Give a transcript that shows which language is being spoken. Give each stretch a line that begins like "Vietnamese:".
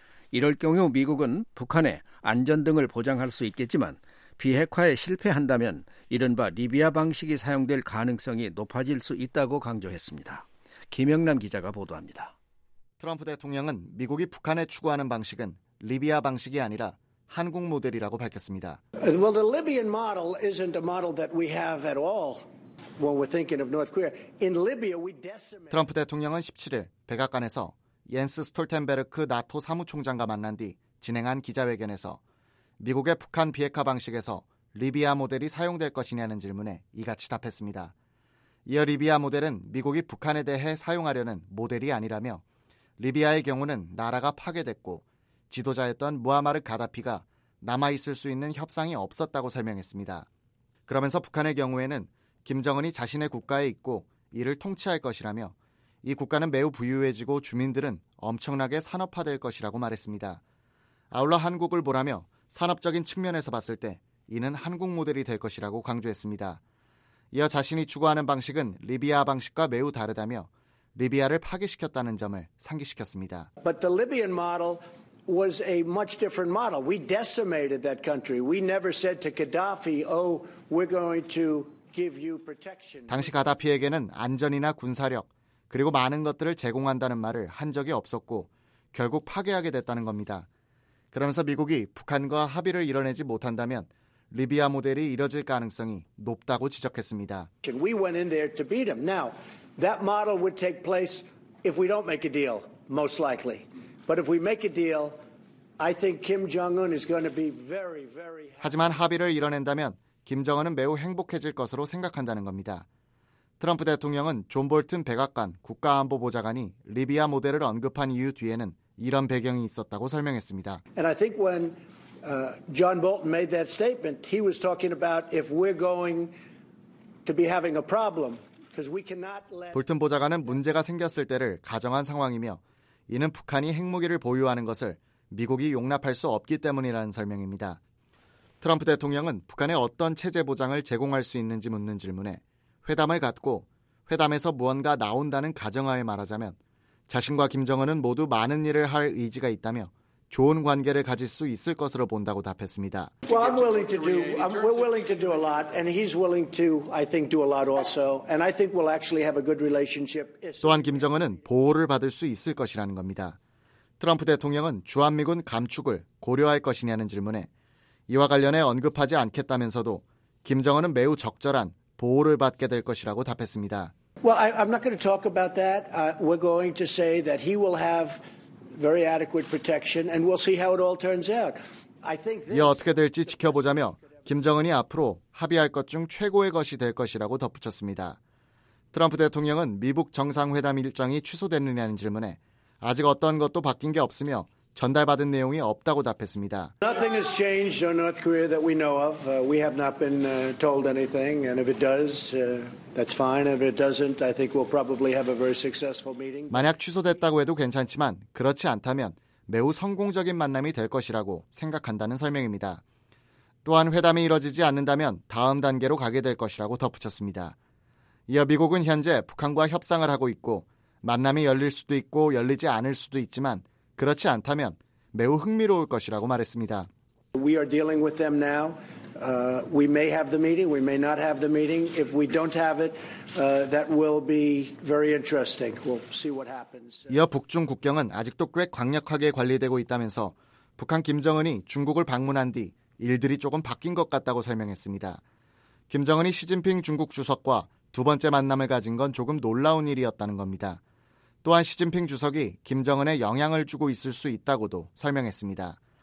Korean: 이럴 경우 미국은 북한의 안전 등을 보장할 수 있겠지만 비핵화에 실패한다면 이른바 리비아 방식이 사용될 가능성이 높아질 수 있다고 강조했습니다. 김영남 기자가 보도합니다. 트럼프 대통령은 미국이 북한에 추구하는 방식은 리비아 방식이 아니라 한국 모델이라고 밝혔습니다.
English: Well, the Libyan model isn't a model that we have at all when we're thinking of North Korea. In Libya, we decimate.
Korean: 트럼프 대통령은 17일 백악관에서 옌스 스톨텐베르크 나토 사무총장과 만난 뒤 진행한 기자회견에서 미국의 북한 비핵화 방식에서 리비아 모델이 사용될 것이냐는 질문에 이같이 답했습니다. 이어 리비아 모델은 미국이 북한에 대해 사용하려는 모델이 아니라며 리비아의 경우는 나라가 파괴됐고 지도자였던 무아마르 가다피가 남아있을 수 있는 협상이 없었다고 설명했습니다. 그러면서 북한의 경우에는 김정은이 자신의 국가에 있고 이를 통치할 것이라며 이 국가는 매우 부유해지고 주민들은 엄청나게 산업화될 것이라고 말했습니다. 아울러 한국을 보라며 산업적인 측면에서 봤을 때 이는 한국 모델이 될 것이라고 강조했습니다. 이어 자신이 추구하는 방식은 리비아 방식과 매우 다르다며 리비아를 파괴시켰다는 점을 상기시켰습니다.
English: But the Libyan model was a much different model. We decimated that country. We never said to Gaddafi, "Oh, we're going to give you protection."
Korean: 당시 가다피에게는 안전이나 군사력 그리고 많은 것들을 제공한다는 말을 한 적이 없었고 결국 파괴하게 됐다는 겁니다. 그러면서 미국이 북한과 합의를 이뤄내지 못한다면 리비아 모델이 이뤄질 가능성이 높다고 지적했습니다.
English: We went in there to beat them. Now, that model would take place if we don't make a deal, most likely. But if we make a deal, I think Kim Jong-un is going to be very, very happy.
Korean: 하지만 합의를 이뤄낸다면 김정은은 매우 행복해질 것으로 생각한다는 겁니다. 트럼프 대통령은 존 볼튼 백악관 국가안보보좌관이 리비아 모델을 언급한 이유 뒤에는 이런 배경이 있었다고 설명했습니다.
English: And I think when John Bolton made that statement, he was talking about if we're going to be having a problem, because we cannot let.
Korean: 볼튼 보좌관은 문제가 생겼을 때를 가정한 상황이며 이는 북한이 핵무기를 보유하는 것을 미국이 용납할 수 없기 때문이라는 설명입니다. 트럼프 대통령은 북한에 어떤 체제 보장을 제공할 수 있는지 묻는 질문에 회담을 갖고 회담에서 무언가 나온다는 가정하에 말하자면 자신과 김정은은 모두 많은 일을 할 의지가 있다며 좋은 관계를 가질 수 있을 것으로 본다고 답했습니다.
English: Well, I'm willing to do. We're willing to do a lot, and he's willing to, I think, do a lot also. And I think we'll actually have a good relationship.
Korean: 또한 김정은은 보호를 받을 수 있을 것이라는 겁니다. 트럼프 대통령은 주한미군 감축을 고려할 것이냐는 질문에 이와 관련해 언급하지 않겠다면서도 김정은은 매우 적절한 보호를 받게 될 것이라고 답했습니다.
English: Well, I'm not going to talk about that. We're going to say that he will have very adequate protection, and we'll see how it all turns out. I think this.
Korean: 이어 어떻게 될지 지켜보자며 김정은이 앞으로 합의할 것 중 최고의 것이 될 것이라고 덧붙였습니다. 트럼프 대통령은 미북 정상회담 일정이 취소됐느냐는 질문에 아직 어떤 것도 바뀐 게 없으며 전달받은 내용이 없다고 답했습니다.
English: Nothing has changed on North Korea that we know of. We have not been told anything, and if it does, that's fine. If it doesn't, I think we'll probably have a very successful meeting.
Korean: 만약 취소됐다고 해도 괜찮지만 그렇지 않다면 매우 성공적인 만남이 될 것이라고 생각한다는 설명입니다. 또한 회담이 이뤄지지 않는다면 다음 단계로 가게 될 것이라고 덧붙였습니다. 이어 미국은 현재 북한과 협상을 하고 있고 만남이 열릴 수도 있고 열리지 않을 수도 있지만 그렇지 않다면 매우 흥미로울 것이라고 말했습니다.
English: We are dealing with them now. We may have the meeting. We may not have the meeting. If we don't have it, that will be very interesting. We'll see what happens.
Korean: 이어 북중 국경은 아직도 꽤 강력하게 관리되고 있다면서 북한 김정은이 중국을 방문한 뒤 일들이 조금 바뀐 것 같다고 설명했습니다. 김정은이 시진핑 중국 주석과 두 번째 만남을 가진 건 조금 놀라운 일이었다는 겁니다. 또한 시진핑 주석이 김정은에 영향을 주고 있을 수 있다고도 설명했습니다.